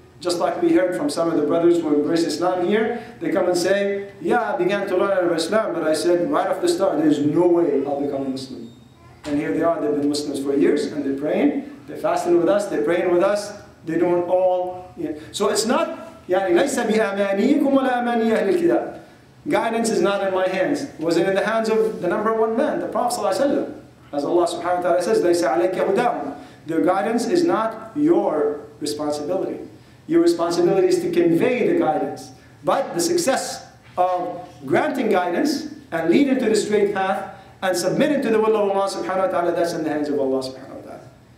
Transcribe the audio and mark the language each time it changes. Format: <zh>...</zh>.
<en>Just like we heard from some of the brothers who embrace Islam here, they come and say, yeah, I began to learn about Islam, but I said, right off the start, there's no way I'll become a Muslim. And here they are, they've been Muslims for years, and they're praying, they're fasting with us, they're praying with us, they're doing all, yeah. So it's not,</en> <ar>يعني ليس بأمانيكم ولا أماني أهل الكتاب.</ar> <en>Guidance is not in my hands. It was in the hands of the number one man, the Prophet Sallallahu Alaihi Wasallam. As Allah subhanahu wa ta'ala says,</en> <ar>ليس عليك هداهم.</ar> <en>Their guidance is not your responsibility. Your responsibility is to convey the guidance. But the success of granting guidance and leading to the straight path and submitting to the will of Allah subhanahu wa ta'ala, that's in the hands of Allah subhanahu wa ta'ala.</en>